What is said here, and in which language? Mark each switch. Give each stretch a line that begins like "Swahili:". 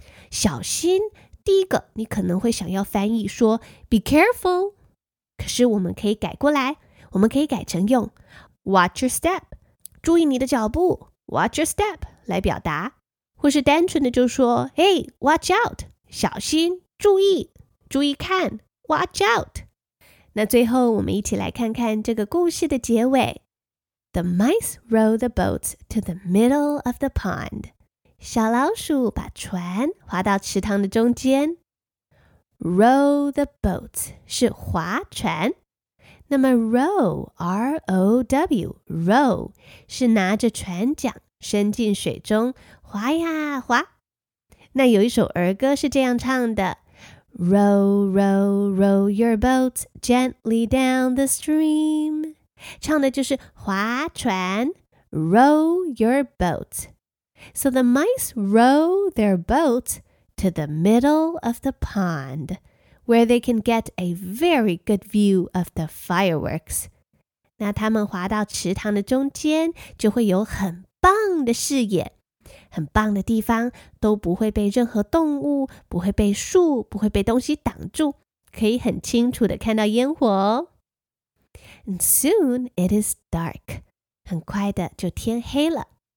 Chinese: 小心，第一个你可能会想要翻译说
English: be careful，
Chinese: 可是我们可以改过来，我们可以改成用
English: watch your step，
Chinese: 注意你的脚步
English: watch your step
Chinese: 来表达，或是单纯的就说
English: hey watch out，
Chinese: 小心，注意，注意看
English: watch out。
Chinese: 那最后我们一起来看看这个故事的结尾。
English: The mice row the boats to the middle of the pond.
Chinese: 小老鼠把船划到池塘的中间。
English: Row the boats
Chinese: 是划船。那么
English: row, R-O-W, row
Chinese: 是拿着船桨伸进水中划呀划。那有一首儿歌是这样唱的。
English: Row, row, row your boats gently down the stream.
Chinese: 唱的就是划船
English: row your boat. So the mice row their boat to the middle of the pond, where they can get a very good view of the fireworks.
Chinese: 那他们划到池塘的中间就会有很棒的视野，很棒的地方都不会被任何动物，不会被树，不会被东西挡住，可以很清楚的看到烟火哦。
English: And soon it is dark.
Chinese: 很快的就天黑了。